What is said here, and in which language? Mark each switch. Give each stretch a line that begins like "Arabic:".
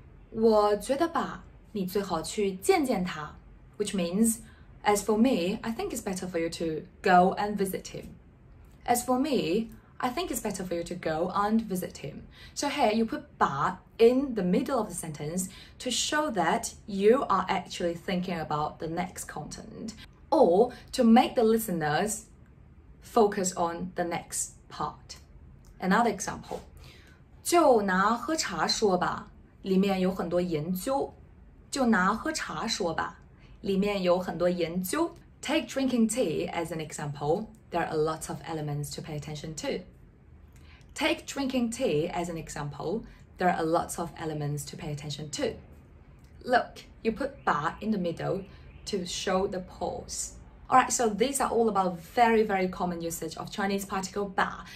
Chinese: 我觉得吧你最好去见见他。
English: Which means, as for me, I think it's better for you to go and visit him. As for me, I think it's better for you to go and visit him. So here you put 吧 in the middle of the sentence to show that you are actually thinking about the next content or to make the listeners focus on the next part. Another example.
Chinese: 就拿喝茶说吧，里面有很多研究。就拿喝茶说吧，里面有很多研究。
English: Take drinking tea as an example. There are a lot of elements to pay attention to. Take drinking tea as an example. There are a lot of elements to pay attention to. Look, you put 吧 in the middle to show the pause. Alright, so these are all about very, very common usage of Chinese particle 吧.